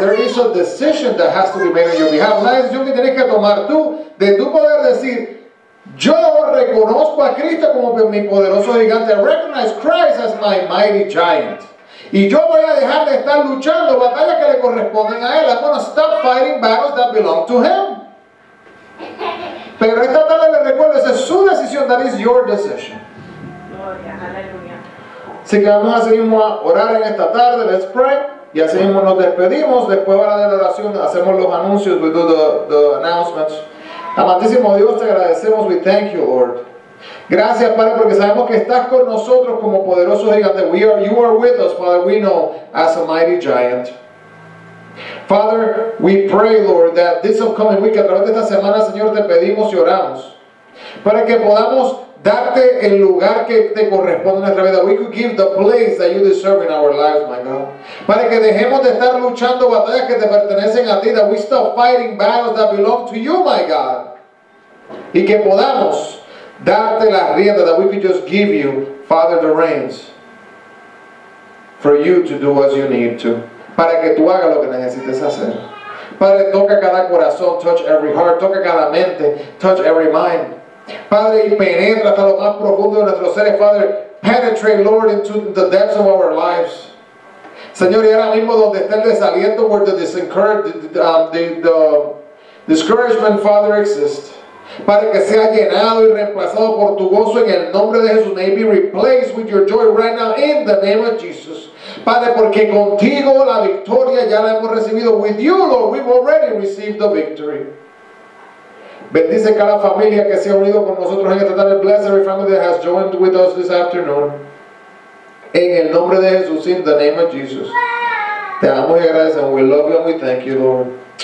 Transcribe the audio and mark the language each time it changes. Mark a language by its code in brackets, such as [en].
[en] There is a decision that has to be made on your behalf. [es] Una decisión que tienes que tomar tú, de tu poder decir, yo reconozco a Cristo como mi poderoso gigante. [en] I recognize Christ as my mighty giant. [es] Y yo voy a dejar de estar luchando batallas que le corresponden a él. [en] I'm going to stop fighting battles that belong to him. [es] Pero esta tarde le recuerdo, esa es su decisión. [en] That is your decision. [es] Gloria, aleluya. Así que vamos a seguir a orar en esta tarde. [en] Let's pray. [es] Y así mismo nos despedimos. Después de la oración hacemos los anuncios. [en] We do the announcements. [es] Amantísimo Dios, te agradecemos, [en] we thank you, Lord. [es] Gracias, Padre, porque sabemos que estás con nosotros como poderoso gigante. [en] You are with us, Father, we know, as a mighty giant. Father, we pray, Lord, that this upcoming week, [es] a través de esta semana, Señor, te pedimos y oramos para que podamos darte el lugar que te corresponde en nuestra vida. [en] We could give the place that you deserve in our lives, my God. [es] Para que dejemos de estar luchando batallas que te pertenecen a ti. [en] That we stop fighting battles that belong to you, my God. [es] Y que podamos darte la rienda. [en] That we could just give you, Father, the reins. For you to do what you need to. [es] Para que tú hagas lo que necesites hacer. Padre, toca cada corazón. [en] Touch every heart. [es] Toca cada mente. [en] Touch every mind. [es] Padre, y penetra hasta lo más profundo de nuestros seres. [en] Father, penetrate, Lord, into the depths of our lives. [es] Señor, y ahora mismo donde está el desaliento, [en] where the discouragement, Father, exists. [es] Padre, que sea llenado y reemplazado por tu gozo en el nombre de Jesús. [en] May be replaced with your joy right now in the name of Jesus. [es] Padre, porque contigo la victoria ya la hemos recibido. [en] With you, Lord, we've already received the victory. [es] Bendice cada familia que se ha unido con nosotros en esta tarde. [en] Bless every family that has joined with us this afternoon. [es] En el nombre de Jesús, [en] in the name of Jesus. [es] Te amo y agradecemos. [en] We love you and we thank you, Lord.